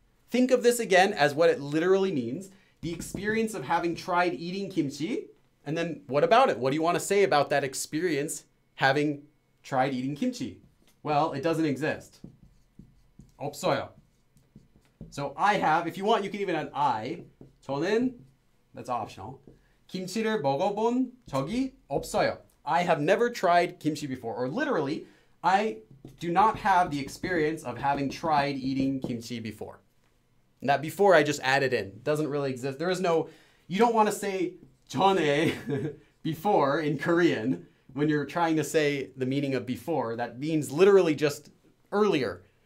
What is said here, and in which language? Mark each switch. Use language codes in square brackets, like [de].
[en] Think of this again as what it literally means. The experience of having tried eating kimchi, and then what about it? What do you want to say about that experience having tried eating kimchi? Well, it doesn't exist. [ko] 없어요. [en] So I have, if you want, you can even add I. [ko] 저는, [en] that's optional. [ko] 김치를 먹어본 적이 없어요. [en] I have never tried kimchi before. Or literally, I do not have the experience of having tried eating kimchi before. And that before I just added in. Doesn't really exist. There is no, you don't want to say 전에 before in Korean. When you're trying to say the meaning of before, that means literally just earlier.